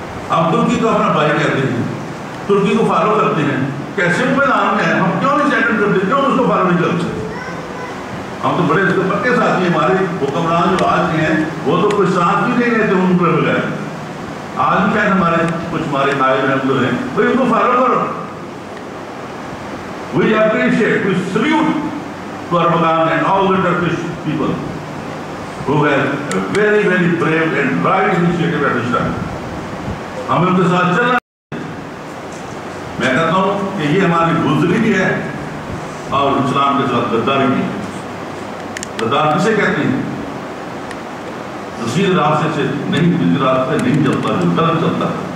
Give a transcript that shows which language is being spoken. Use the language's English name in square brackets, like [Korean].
[Urdu] ہم ترکی کو اپنا بھائی کہتے ہیں, ترکی کو فالو کرتے ہیں, کیسے میدان میں ہیں, ہم کیوں نہیں سینڈ کرتے, کیوں اس کو فالو نہیں کرتے؟ ہم تو بڑے اس کے پکے ساتھی ہیں. ہمارے حکمران جو آج کے ہیں وہ تو کوئی ساتھ بھی نہیں رہتے ان کے بغیر, آج بھی شاید ہمارے کچھ ہمارے قائد محمد ہیں, تو ان کو فالو کرو. [English] We appreciate, we salute to Erdogan and all the Turkish people who have a very, very brave and right initiative at this time. [Urdu] ہم ان کے ساتھ چل رہے ہیں. میں کہتا ہوں کہ یہ ہماری گزری بھی ہے اور اسلام کے ساتھ غداری بھی ہے. غداری کسے کہتے ہیں؟ سیدھے راستے سے نہیں, دوسرے راستے نہیں چلتا, جو غلط چلتا.